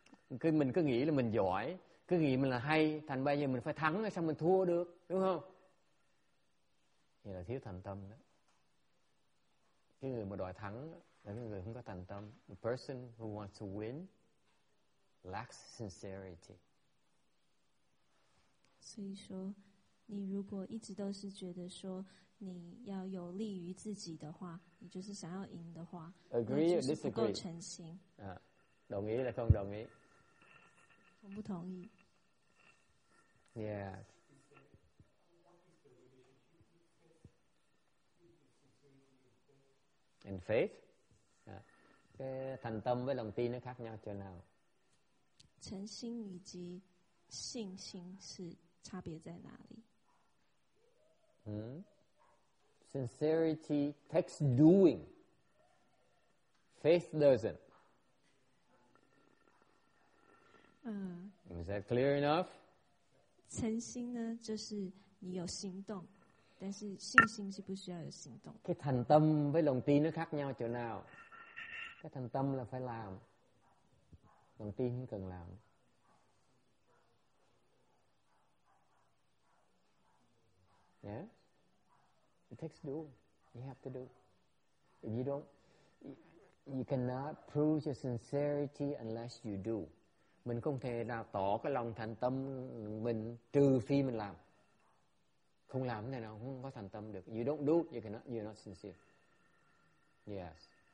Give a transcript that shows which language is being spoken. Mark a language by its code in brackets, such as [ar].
[vi] Mình cứ nghĩ là mình giỏi, cứ nghĩ mình là hay, thành bây giờ mình phải thắng rồi xong mình thua được, đúng không? Thì là thiếu thành tâm đó. Cái người mà đòi thắng là cái người không có thành tâm. [en] The person who wants to win lacks sincerity. [zh] 所以说，你如果一直都是觉得说你要有利于自己的话，你就是想要赢的话， [en] agree or disagree? [zh] 不够诚心。啊，同意还是不同意？我不同意。 [en] Yes. In faith? [vi] 啊，这个，thành tâm với lòng tin nó khác nhau chỗ nào？ [zh] 诚心以及信心是。差别在哪里? [en] Sincerity takes doing. Faith doesn't. Is that clear enough? [zh] 诚心呢，就是你有行动， 但是信心是不需要有行动。 [vi] Cái thành tâm với lòng tin nó khác nhau chỗ nào? Cái thành tâm là phải làm, lòng tin không cần làm. [en] Yeah, it takes doing. You have to do. If you don't, you cannot prove your sincerity unless you do. [vi] Mình không thể nào tỏ cái lòng thành tâm mình trừ phi mình làm. Không làm thế nào không có thành tâm được. [en] You don't do, you cannot. You're not sincere. Yes.